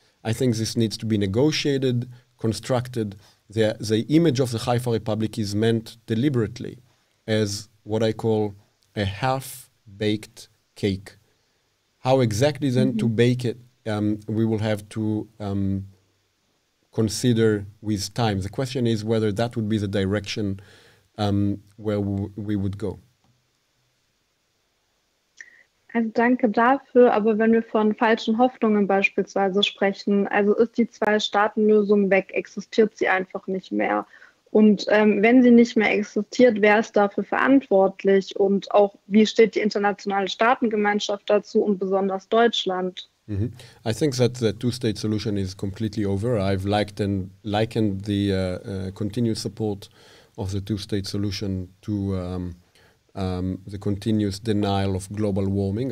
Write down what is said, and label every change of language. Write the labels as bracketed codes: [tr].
[en] I think this needs to be negotiated, constructed. The image of the Haifa Republic is meant deliberately as what I call a half-baked cake. How exactly then to bake it, we will have to consider with time. The question is whether that would be the direction where we would go. [de] Also danke dafür, aber wenn wir von falschen Hoffnungen beispielsweise sprechen, also ist die Zwei-Staaten-Lösung weg, existiert sie einfach nicht mehr. Und wenn sie nicht mehr existiert, wer ist dafür verantwortlich? Und auch, wie steht die internationale Staatengemeinschaft dazu und besonders Deutschland? [en] I think that the Two-State-Solution is completely over. I've liked and likened the continued support of the Two-State-Solution to the continuous denial of global warming.